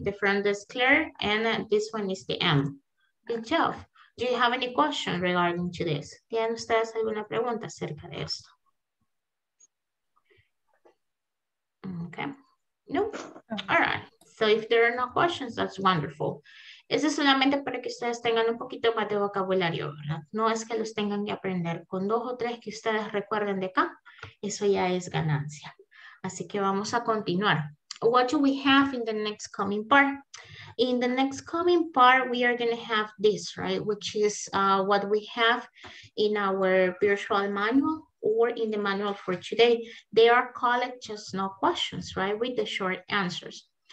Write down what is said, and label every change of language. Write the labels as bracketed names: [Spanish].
[English] The front is clear, and this one is the M. Good job. Do you have any question regarding to this? [Spanish] ¿Tienen ustedes alguna pregunta acerca de esto? [English] Okay. No. All right. So if there are no questions, that's wonderful. [Spanish] Eso es solamente para que ustedes tengan un poquito más de vocabulario, ¿verdad? No es que los tengan que aprender. Con dos o tres que ustedes recuerden de acá, eso ya es ganancia. Así que vamos a continuar. [English] What do we have in the next coming part? In the next coming part, we are going to have this, right? Which is what we have in our virtual manual or in the manual for today. They are called just no questions, right? With the short answers.